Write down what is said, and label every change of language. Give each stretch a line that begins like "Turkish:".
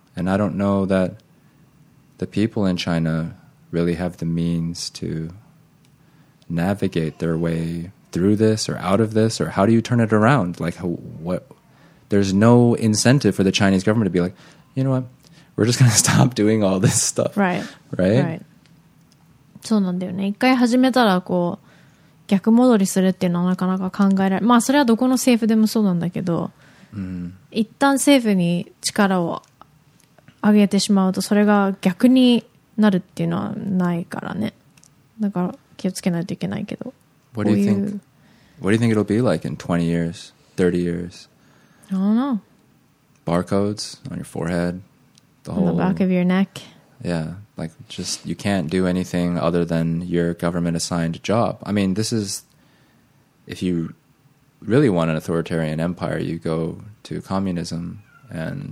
English: And I don't know that... the people in China really have the means to navigate their way through this or out of this, or how do you turn it around? Like, what? There's no incentive for the Chinese government to be like, you know what? We're just going to stop doing all this stuff. Right. Right? Right.
Japanese: そうなんだよね。一回始めたらこう逆戻りするっていうのはなかなか考えられない。まあそれはどこの政府でもそうなんだけど、一旦政府に力を上げてしまうとそれが逆になるっていうのはないからね。だから気をつけないといけないけど。
English: What do you think? What do you think it'll be like in 20 years, 30 years? I don't know. Barcodes on your forehead, the whole on the back of your neck. Yeah, like just you can't do anything other than your government assigned job. I mean, this is if you really want an authoritarian empire, you go to communism and